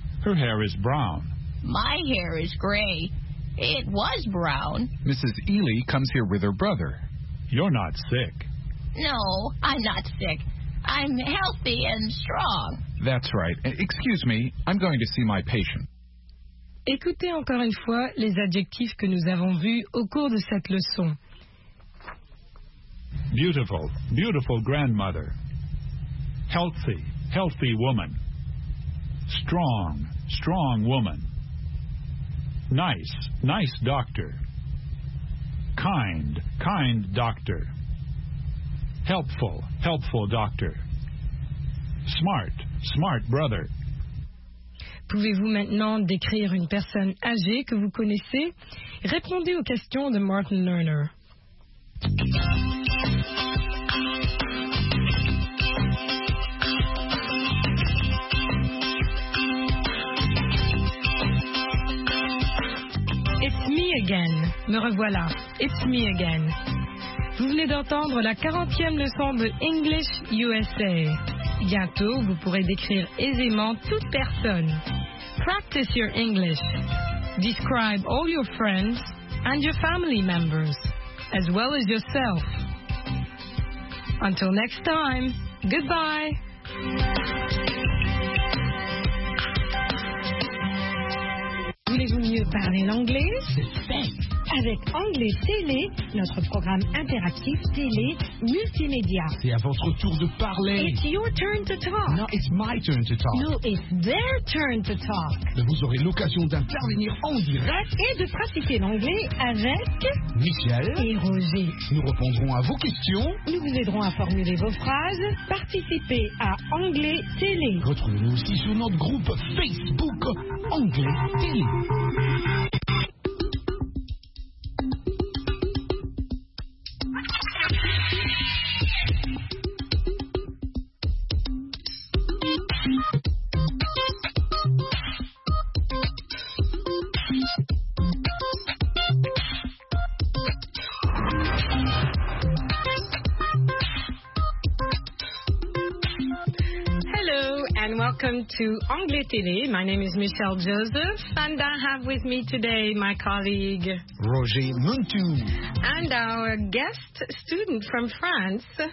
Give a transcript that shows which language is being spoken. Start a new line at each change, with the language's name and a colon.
English: Her hair is brown. My hair is gray. It was brown. Mrs. Ely comes here with her brother. You're not sick. No, I'm not sick. I'm healthy and strong. That's right. Excuse me, I'm going to see my patient.
French: Écoutez encore une fois les adjectifs que nous avons vus au cours de cette leçon.
English: Beautiful, beautiful grandmother. Healthy, healthy woman. Strong, strong woman. Nice, nice doctor. Kind, kind doctor. Helpful, helpful doctor. Smart, smart brother.
French: Pouvez-vous maintenant décrire une personne âgée que vous connaissez? Répondez aux questions de Martin Lerner.
English: It's me again.
French: Me revoilà.
English: It's me again.
French: Vous venez d'entendre la 40e leçon de English USA. Bientôt, vous pourrez décrire aisément toute personne.
English: Practice your English. Describe all your friends and your family members, as well as yourself. Until next time, goodbye.
French: Voulez-vous mieux parler l'anglais? Avec Anglais Télé, notre programme interactif télé multimédia. C'est à votre tour de parler.
English: It's your turn to talk. No, it's my turn to talk. No, it's their turn to talk.
French: Vous aurez l'occasion d'intervenir en direct et de pratiquer l'anglais avec Michel et Roger. Nous répondrons à vos questions. Nous vous aiderons à formuler vos phrases. Participez à Anglais Télé. Retrouvez-nous aussi sur notre groupe Facebook Anglais Télé.
English: Welcome to Anglais Télé. My name is Michelle Joseph, and I have with me today my colleague Roger Muntou and our guest student from France,